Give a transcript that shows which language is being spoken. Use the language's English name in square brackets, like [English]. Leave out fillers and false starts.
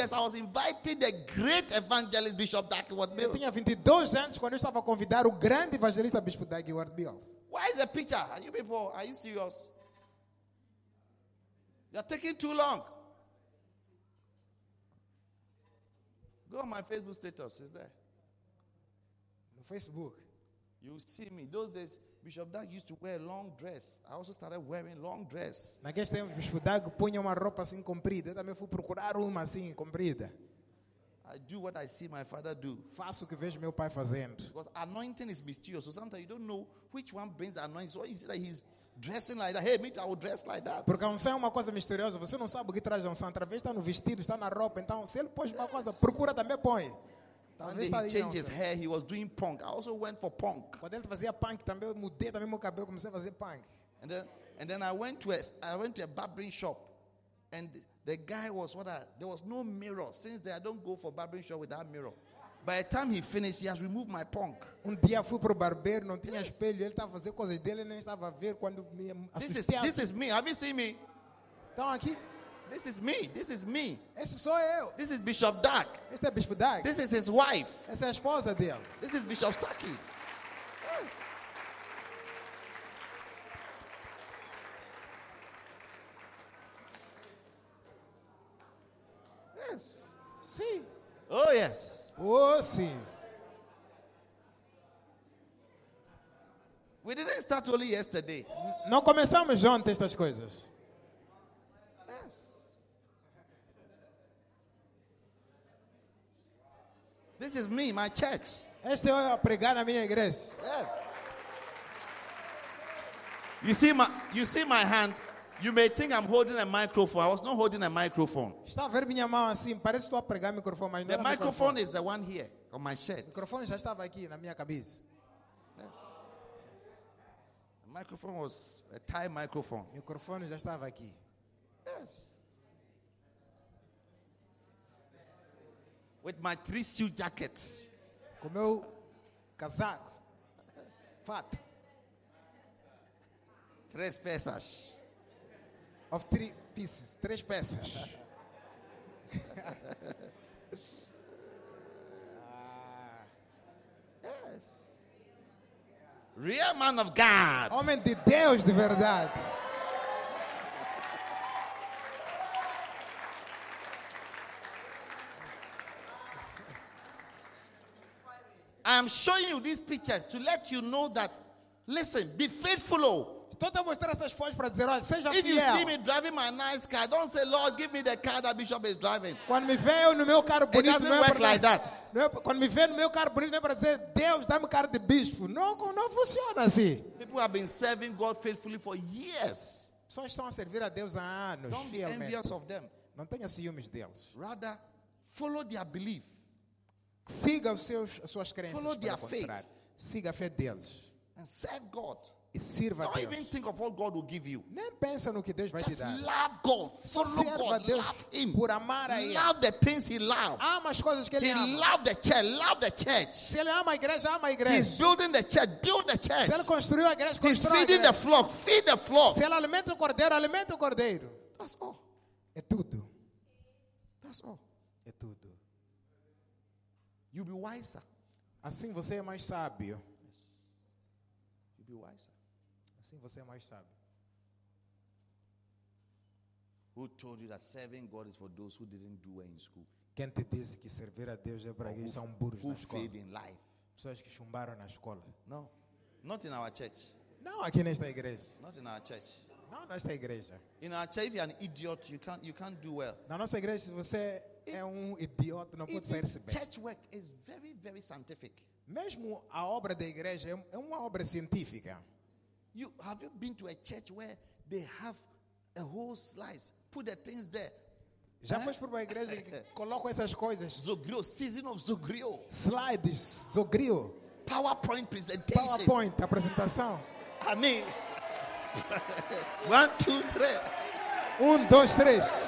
[English] I was 22 years. I was inviting the great evangelist Bishop Dagwood Mills. [Portuguese] Eu tinha 22 anos quando eu estava a convidar o grande evangelista Bispo Dagwood Mills. [English] Why is the picture? Are you people? Are you serious? You are taking too long. Go on my Facebook status. Is there? No Facebook. You see me those days. Bishop Doug used to wear a long dress. I also started wearing long dress. [Portuguese] Naquele tempo, Bishop Doug punha uma roupa assim comprida. Eu também fui procurar uma assim comprida. [English] I do what I see my father do. [Portuguese] Faço o que vejo meu pai fazendo. [English] Because anointing is mysterious. So sometimes you don't know which one brings the anointing. So is it that he's dressing like that? Hey, me too, I will dress like that. [Portuguese] Porque a unção é uma coisa misteriosa. Você não sabe o que traz a unção. Através está no vestido, está na roupa. Então, se ele pôs uma coisa, procura também põe. Talvez ele [English] change his hair, he was doing punk. I also went for punk. [Portuguese] Quando ele fazia punk, também eu mudei também meu cabelo, comecei a fazer punk. [English] And then I went to a barbering shop, and the guy was what I, there was no mirror. Since then, I don't go for barbering shop without mirror. By the time he finished, he has removed my punk. [Portuguese] Um dia fui pro barbeiro, não tinha espelho, ele estava a fazer coisas dele, nem estava a ver quando me assustei. [English] This is me. Have you seen me? [Portuguese] Então aqui. [English] This is me. [Portuguese] Esse sou eu. [English] This is Bishop Dark. [Portuguese] Este é Bispo Dark. [English] This is his wife. [Portuguese] Essa é a esposa dele. [English] This is Bishop Saki. Yes. Yes. [Portuguese] Sim. [English] Oh yes. [Portuguese] Oh sim. [English] We didn't start only yesterday. [Portuguese] Não começamos ontem estas coisas. [English] This is me, my church. [Portuguese] Este é a pregar na minha igreja. [English] Yes. You see my hand. You may think I'm holding a microphone. I was not holding a microphone. [Portuguese] Está a ver minha mão assim. Parece que estou a pregar microfone, mas não é [English] microphone. The microphone is the one here. on my shirt. [Portuguese] Microphone já estava aqui na minha cabeça. [English] Yes. The microphone was a Thai microphone. [Portuguese] Microfone já estava aqui. [English] Yes. With my three suit jackets. [Portuguese] Com meu casaco. Fat. Três peças. [English] Of three pieces. [Portuguese] Três peças. [English] Yes. Real man of God. [Portuguese] Homem de Deus de verdade. [English] I'm showing you these pictures to let you know that, listen, be faithful. [Portuguese] Estou a mostrar essas fotos para dizer, olha, seja fiel. [English] If you see me driving my nice car, don't say, Lord, give me the car that Bishop is driving. [Portuguese] Quando me vê no meu carro bonito, [English] it doesn't work like that. [Portuguese] Quando me vê no meu carro bonito, não é para dizer, Deus, dá-me carro de bispo. Não, não funciona assim. [English] People have been serving God faithfully for years. [Portuguese] Pessoas estão a servir a Deus há anos. [English] Don't be envious of them. [Portuguese] Não tenha ciúmes deles. [English] Rather, follow their belief. [Portuguese] Siga os seus, as suas crenças. [English] Follow their faith. [Portuguese] Siga a fé deles. [English] And serve God. [Portuguese] E sirva [English] don't [Portuguese] a Deus. [English] Even think of what God will give you. [Portuguese] Nem pensa no que Deus vai [English] just [Portuguese] te dar. [English] Just love God. Follow [Portuguese] serva [English] God. [Portuguese] Deus [English] love Him. [Portuguese] Por amar a [English] love [Portuguese] ele. [English] The things He loves. [Portuguese] Ama as coisas que Ele [English] he [Portuguese] ama. [English] He loves the church. Love the church. [Portuguese] Se Ele ama a igreja, ama a igreja. [English] He's building the church. Build the church. [Portuguese] Se Ele construiu a igreja, construa a igreja. [English] He's feeding the flock. Feed the flock. [Portuguese] Se Ele alimenta o cordeiro, alimenta o cordeiro. [English] That's all. [Portuguese] É tudo. [English] That's all. [Portuguese] É tudo. [English] You'll be wiser. [Portuguese] Assim você é mais sábio. [English] Yes. You'll be wiser. [Portuguese] Assim você é mais sábio. [English] Who told you that serving God is for those who didn't do well in school? [Portuguese] Quem te disse que servir a Deus é para aqueles que são burros [English] who [Portuguese] na escola? [English] Failed in life. [Portuguese] Pessoas que chumbaram na escola. [English] No. Not in our church. [Portuguese] Não, aqui nesta igreja. [English] Not in our church. [Portuguese] Não, nesta igreja. [English] In our church, if you're an idiot, you can't do well. [Portuguese] Na nossa igreja, você é idiota, não pode sair-se bem. [English] Church work is very, very scientific. [Portuguese] Mesmo a obra da igreja é uma obra científica. [English] You have you been to a church where they have a whole slice, put the things there? [Portuguese] Já foste para uma igreja que coloca essas coisas? [English] Zogrio, season of Zogrio. Slide, Zogrio. PowerPoint presentation. [Portuguese] PowerPoint apresentação. [English] I mean, 1, 2, 3. 1, 2, 3.